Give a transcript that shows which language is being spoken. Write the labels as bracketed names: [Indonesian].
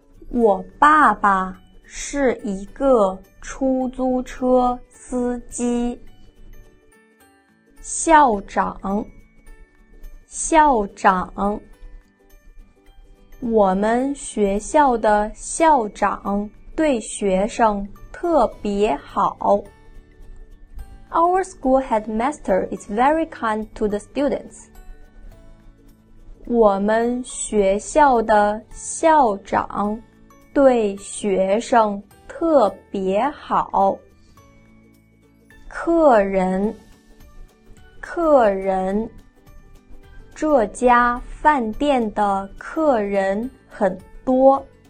[Chinese] 我爸爸是一个出租车司机。校长，校长，我们学校的校长对学生特别好。 [English] Our school headmaster is very kind to the students. [Chinese] 我们学校的校长对学生特别好。客人，客人，这家饭店的客人很多。